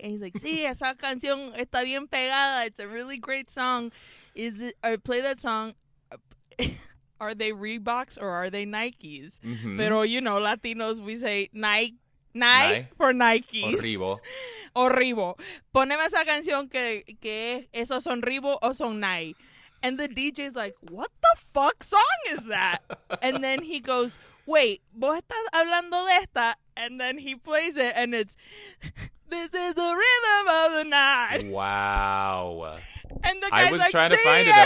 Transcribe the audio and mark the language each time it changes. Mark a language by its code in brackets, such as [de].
[en] And he's like, [es] sí, esa canción está bien pegada. [en] It's a really great song. Play that song. Are they Reeboks or are they Nikes? Mm-hmm. [es] Pero, [en] you know, Latinos, we say Nike for Nikes. Horrible. [es] Poneme esa canción que esos son Reebok o son Nike. [en] And the DJ's like, what the fuck song is that? And then he goes, wait, [es] vos estás hablando de esta? [en] And then he plays it, and it's, this is the rhythm of the night. Wow. And the guy's I was like, trying to find yes,